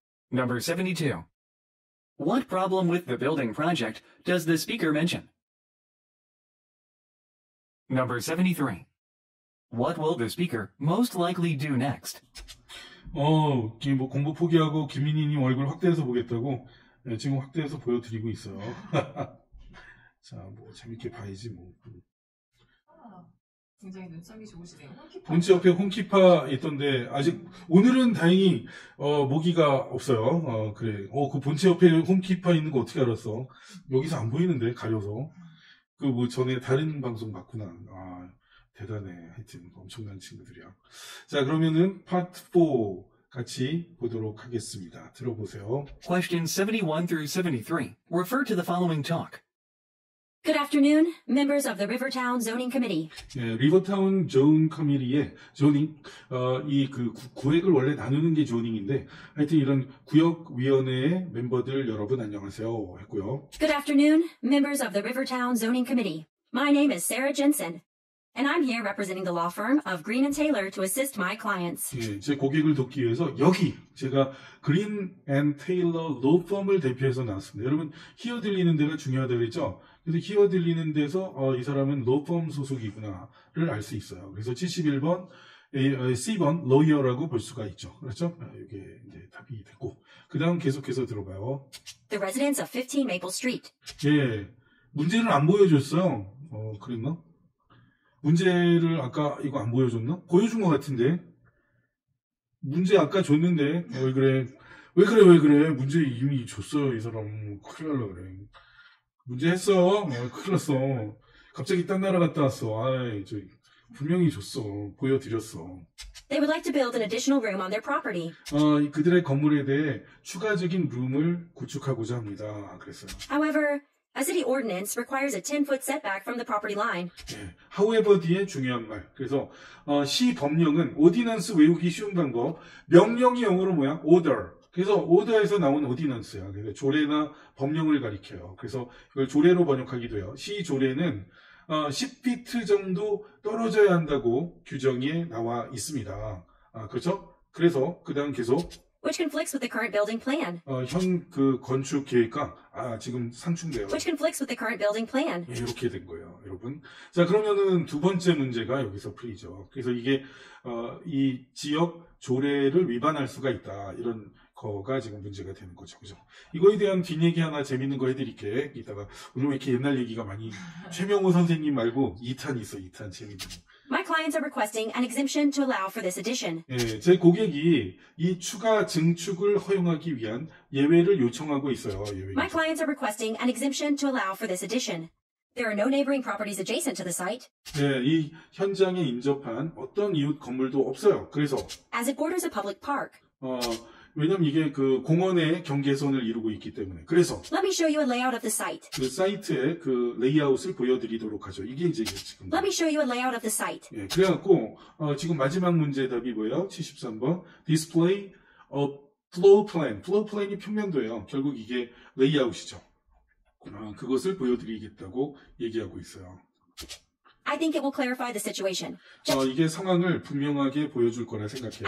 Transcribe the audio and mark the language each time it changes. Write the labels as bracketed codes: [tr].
[en] Number 72. What problem with the building project does the speaker mention? Number 73. What will the speaker most likely do next? [ko] 지금 뭐 공부 포기하고 김민희님 얼굴 확대해서 보겠다고 네, 지금 확대해서 보여드리고 있어요. 자, 뭐 재밌게 봐야지 뭐. 굉장히 눈썹이 좋으시네요. 홈키파. 본체 옆에 홈키파 있던데 아직 오늘은 다행히 모기가 없어요. 그래. 그 본체 옆에 홈키파 있는 거 어떻게 알았어? 여기서 안 보이는데 가려서. 그 뭐 전에 다른 방송 봤구나. 아, 대단해. 하여튼 엄청난 친구들이야. 자, 그러면은 파트 4 같이 보도록 하겠습니다. 들어보세요. [en] Question 71 through 73. Refer to the following talk. Good afternoon, members of the Rivertown Zoning Committee. [ko] 예, Rivertown Zoning Committee의 zoning, 이 그 구획을 원래 나누는 게 zoning인데, 하여튼 이런 구역위원회의 멤버들 여러분 안녕하세요 했고요. [en] Good afternoon, members of the Rivertown Zoning Committee. My name is Sarah Jensen, and I'm here representing the law firm of Green & Taylor to assist my clients. [ko] 예, 제 고객을 돕기 위해서 여기 제가 Green & Taylor Law Firm을 대표해서 나왔습니다. 여러분, 히어 들리는 데가 중요하다고 했죠? 그래서 히어 들리는 데서 이 사람은 로펌 소속이구나를 알 수 있어요. 그래서 71번, C번, 로이어라고 볼 수가 있죠. 그렇죠? 이게 이제 답이 됐고. 그 다음 계속해서 들어봐요. [en] The residents of 15 Maple Street. [ko] 예. 문제를 안 보여줬어요. 그랬나? 문제를 아까 이거 안 보여줬나? 보여준 것 같은데. 문제 아까 줬는데. 왜 그래? 왜 그래? 왜 그래? 문제 이미 줬어요. 이 사람. 큰일 날라 그래. 문제 했어. 큰일 났어. 갑자기 딴 나라 갔다 왔어. 아이, 저 분명히 줬어. 보여드렸어. [en] They would like to build an additional room on their property. [ko] 그들의 건물에 대해 추가적인 룸을 구축하고자 합니다. 그랬어요. [en] However, a city ordinance requires a 10-foot setback from the property line. [ko] 네, however 뒤에 중요한 말. 그래서 시 법령은 ordinance 외우기 쉬운 방법. 명령이 영어로 뭐야? Order. 그래서 order에서 나온 ordinance야. 그래서 조례나 법령을 가리켜요. 그래서 이걸 조례로 번역하기도 해요. 시 조례는 10피트 정도 떨어져야 한다고 규정에 나와 있습니다. 그렇죠? 그래서 그다음 계속 [en] Which conflicts with the current building plan. [ko] 그 건축 계획과 지금 상충돼요. [en] Which conflicts with the current building plan. [ko] 예, 이렇게 된 거예요, 여러분. 자, 그러면은 두 번째 문제가 여기서 풀리죠. 그래서 이게 이 지역 조례를 위반할 수가 있다. 이런 거가 지금 문제가 되는 거죠. 그죠? 이거에 대한 뒷얘기 하나 재밌는 거 해드릴게. 이따가 오늘 왜 이렇게 옛날 얘기가 많이 최명호 선생님 말고 2탄 있어. 2탄 재밌는 거. [en] My clients are requesting an exemption to allow for this addition. [ko] 예, 제 고객이 이 추가 증축을 허용하기 위한 예외를 요청하고 있어요. 예외를. [en] My clients are requesting an exemption to allow for this addition. There are no neighboring properties adjacent to the site. [ko] 네, 이 현장에 인접한 어떤 이웃 건물도 없어요. 그래서 [en] As it borders a public park. [ko] 왜냐면 이게 그 공원의 경계선을 이루고 있기 때문에. 그래서 [en] Let me show you a layout of the site. [ko] 그 사이트의 그 레이아웃을 보여드리도록 하죠. 이게 이제 지금 [en] Let me show you a layout of the site. [ko] 네, 그래갖고 지금 마지막 문제 답이 뭐예요? 73번 [en] Display a floor plan. [ko] Floor plan이 평면도예요. 결국 이게 레이아웃이죠. 그것을 보여드리겠다고 얘기하고 있어요. [en] I think it will clarify the situation. [ko] 이게 상황을 분명하게 보여줄 거라 생각해요.